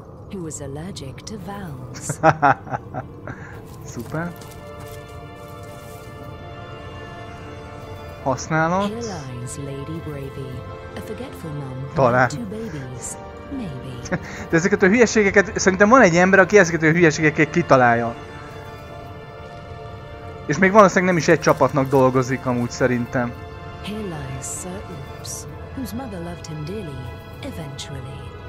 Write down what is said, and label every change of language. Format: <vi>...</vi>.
<en>Who was allergic to valves. Super.</en> <hu>Használat.</hu> <en>Here lies Lady Bravey, a forgetful mom who had two babies, maybe.</en> <hu>De ezeket a hülyeségeket, szerintem van egy ember, aki ezeket a hülyeségeket kitalálja. És még valószínűleg nem is egy csapatnak dolgozik amúgy szerintem.</hu> <en>Here lies Sir Oops, whose mother loved him dearly, eventually.</en>